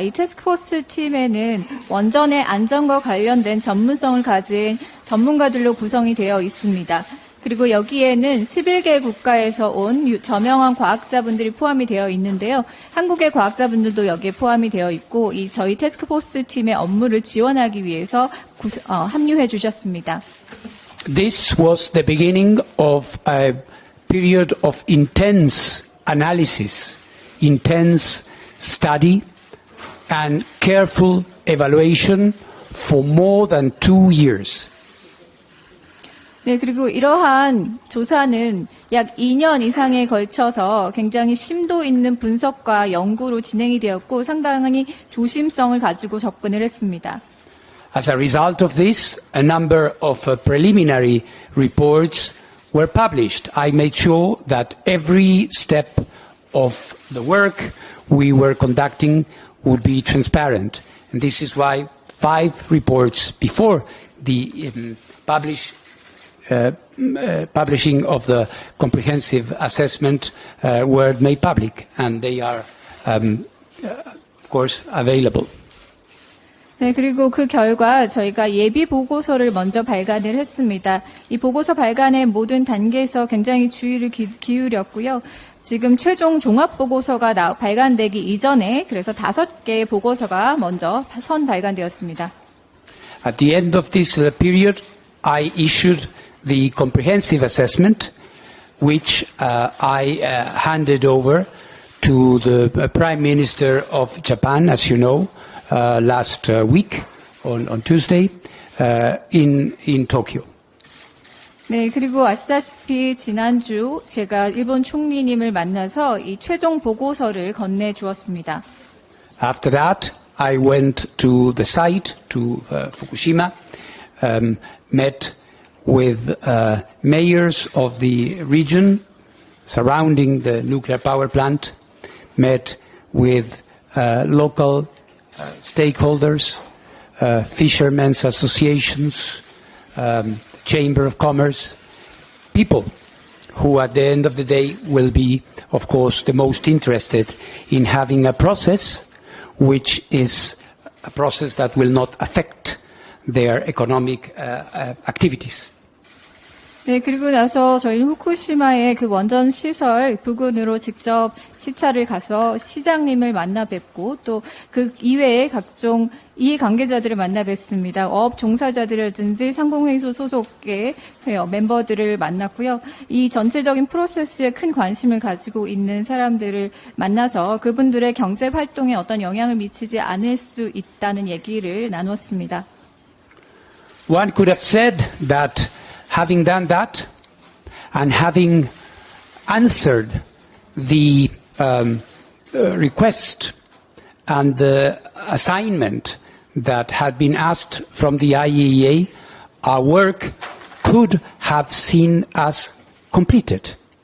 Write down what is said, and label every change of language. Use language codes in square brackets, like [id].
[ko] 이 태스크포스 팀에는 원전의 안전과 관련된 전문성을 가진 전문가들로 구성이 되어 있습니다. 그리고 여기에는 11개 국가에서 온 저명한 과학자분들이 포함이 되어 있는데요. 한국의 과학자분들도 여기에 포함이 되어 있고 이 저희 태스크포스 팀의 업무를 지원하기 위해서 합류해 주셨습니다. [en] This was the beginning of a period of intense analysis, intense study, and careful evaluation for more than 2 years. [ko] 네, 그리고 이러한 조사는 약 2년 이상에 걸쳐서 굉장히 심도 있는 분석과 연구로 진행이 되었고 상당히 조심성을 가지고 접근을 했습니다. [en] As a result of this, a number of preliminary reports were published. I made sure that every step of the work we were conducting would be transparent. And this is why 5 reports before the publishing of the comprehensive assessment were made public, and they are, of course, available. [ko] 네, 그리고 그 결과 저희가 예비 보고서를 먼저 발간을 했습니다. 이 보고서 발간의 모든 단계에서 굉장히 주의를 기울였고요. 지금 최종 종합 보고서가 발간되기 이전에 그래서 5개의 보고서가 먼저 선 발간되었습니다. [en] At the end of this period, I issued the comprehensive assessment, which I handed over to the Prime Minister of Japan, as you know. Last week on Tuesday in Tokyo. [ko] 네, 그리고 아시다시피 지난주 제가 일본 총리님을 만나서 이 최종 보고서를 건네 주었습니다. [en] After that, I went to the site to Fukushima, met with mayors of the region surrounding the nuclear power plant, met with local stakeholders, fishermen's associations, chamber of commerce, people who at the end of the day will be, of course, the most interested in having a process which is a process that will not affect their economic activities. [ko] 네, 그리고 나서 저희는 후쿠시마의 그 원전 시설 부근으로 직접 시찰을 가서 시장님을 만나 뵙고 또 그 이외에 각종 이해 관계자들을 만나 뵙습니다. 업 종사자들이라든지 상공회의소 소속의 멤버들을 만났고요. 이 전체적인 프로세스에 큰 관심을 가지고 있는 사람들을 만나서 그분들의 경제 활동에 어떤 영향을 미치지 않을 수 있다는 얘기를 나누었습니다. [en] One could have said that having done that and having answered the request and the assignment that had been asked from the IAEA, our work could have seen us completed.